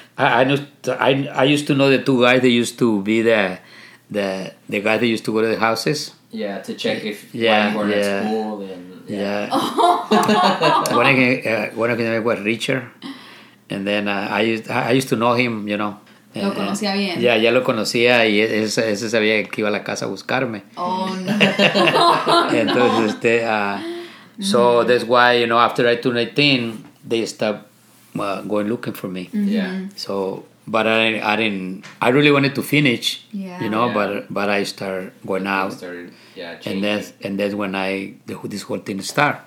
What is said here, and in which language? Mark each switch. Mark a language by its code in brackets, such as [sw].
[en] I used to know the two guys that used to be the guys that used to go to the houses. Yeah, to check if you weren't at school. One of them was Richard, and then I used to know him, you know. [es] Lo conocía bien. Yeah, ya lo conocía, y ese sabía que iba a la casa a buscarme. [en] Oh, no. Entonces, so that's why, you know, after I turned 18, they stopped. Going looking for me. Mm-hmm. Yeah. So, but I really wanted to finish, you know, but I start going out. Started, and that's when this whole thing start.